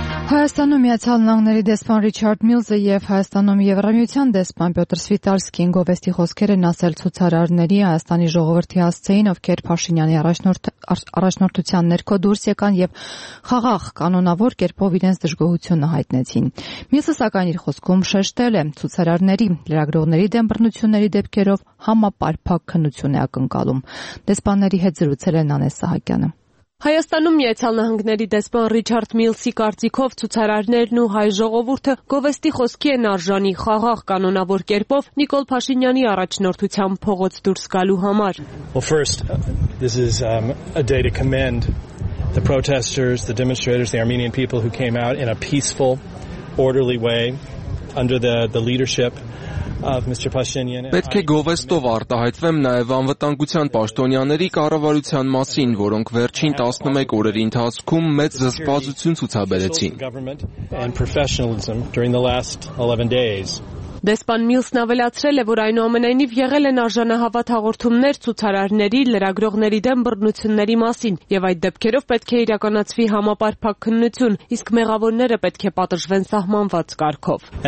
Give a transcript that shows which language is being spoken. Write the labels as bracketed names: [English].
[Armenian] Հայաստանում Միացյալ Նահանգների դեսպան Ռիչարդ Միլզը եւ Հայաստանում Եվրամիության դեսպան Պյոտր Սվիտալսկին գովեստի խոսքեր են ասել ցուցարարների Հայաստանի ժողովրդի հասցեին, ովքեր Փաշինյանի առաջնորդության ներքո դուրս եկան եւ խաղաղ կանոնավոր կերպով իրենց դժգոհությունը հայտնեցին։ Միլզը սակայն իր խոսքում շեշտել է ցուցարարների լրագրողների դեմ բռնությունների դեպքերով համապարփակ քննություն է ակնկալում։ Դեսպանների հետ զրուցել են Անես Սահակյանը։ Հայաստանում Միացյալ Նահանգների դեսպան Ռիչարդ Միլսի կարծիքով ցուցարարներն ու հայ ժողովուրդը գովեստի խոսքի են արժանի խաղաղ կանոնավոր կերպով Նիկոլ Փաշինյանի առաջնորդությամբ փողոց դուրս գալու համար։ [English] Well, first, this is a day to commend the protesters, the demonstrators, the Armenian people who came out in a peaceful, orderly way under the leadership [Armenian] Պետք է գովեստով արտահայտվեմ նաև անվտանգության պաշտոնյաների կառավարության մասին, որոնք վերջին 11 օրերի ընթացքում մեծ զսպվածություն ցուցաբերեցին։ Դեսպան Միլսն ավելացրել է, որ այնուամենայնիվ եղել են արժանահավատ հաղորդումներ ցուցարարների, լրագրողների դեմ բռնությունների մասին, եւ այդ դեպքերով պետք է իրականացվի համապարփակ քննություն, իսկ մեղավորները պետք է պատժվեն սահմանված կարգով։